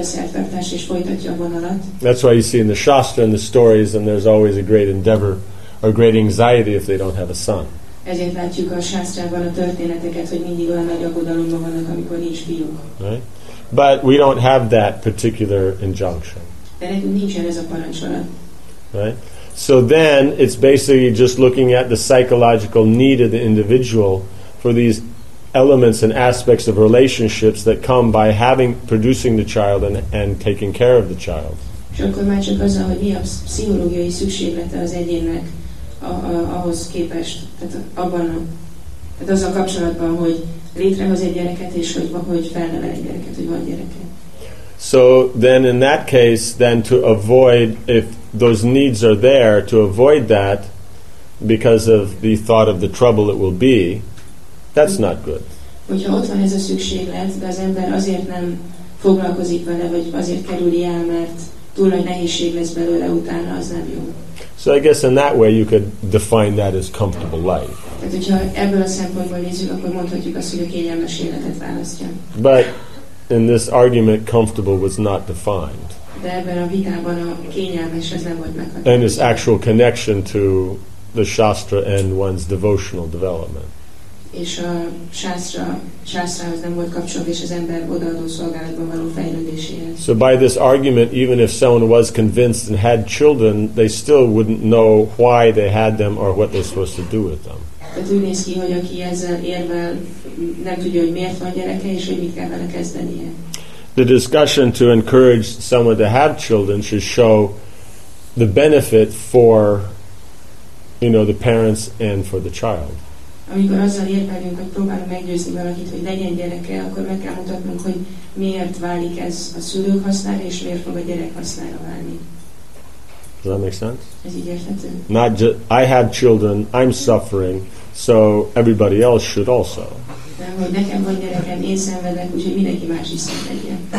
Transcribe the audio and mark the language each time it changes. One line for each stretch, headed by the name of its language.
English: That's why you see in the Shastra and the stories and there's always a great endeavor or great anxiety if they don't have a son.
Hungarian: Ezért látjuk a Shastrában a történeteket, hogy mindig olyan nagy aggodalomban vannak, amikor nincs fiúk.
English: But we don't have that particular injunction.
Hungarian: De nekünk nincsen ez a parancsolat.
English: Right. So then it's basically just looking at the psychological need of the individual for these elements and aspects of relationships that come by having producing the child and taking care of the child.
Hungarian: És akkor már csak azzal, hogy mi a pszichológiai szükséglete az egyének ahhoz képest, tehát azzal kapcsolatban, hogy létrehoz egy gyereket, és hogy felnevel egy gyereket, hogy van gyereket.
English: So then in that case, then to avoid, if those needs are there, to avoid that because of the thought of the trouble it will be, that's not good.
Hungarian: Hogyha ott van ez a szükséglet, de az ember azért nem foglalkozik vele, vagy azért kerüli el, mert túl nagy nehézség lesz belőle utána, az nem jó.
English: So I guess in that way you could define that as comfortable life.
Hungarian: Tehát hogyha ebből a szempontból nézzük, akkor mondhatjuk azt, hogy a kényelmes életet választja.
English: But in this argument, comfortable was not defined.
Hungarian: De ebben a vitában a kényelmes az nem volt meghatározva.
English: And its actual connection to the Shastra and one's devotional development.
Hungarian: És a Shastrahoz nem volt kapcsolva, és az ember odaadó szolgálatban való fejlődéséhez.
English: So by this argument, even if someone was convinced and had children, they still wouldn't know why they had them or what they're supposed to do with them.
Hungarian: Tehát úgy néz ki, hogy aki ezzel érvel, nem tudja, hogy miért van gyereke, és hogy mit kell vele kezdenie.
English: The discussion to encourage someone to have children should show the benefit for, you know, the parents and for the child.
Hungarian: Amikor azzal érvelünk, hogy próbálunk meggyőzni valakit, hogy legyen gyereke, akkor meg kell mutatnunk, hogy miért válik ez a szülők hasznára, és miért fog a gyerek hasznára válni.
English: Does that make sense?
Hungarian: Ez így érthető?
English: Not just, I have children, I'm suffering, so everybody else should also.
Hungarian: Hogy nekem van gyerekem, én szenvedek, úgyhogy mindenki más is szenvedjen.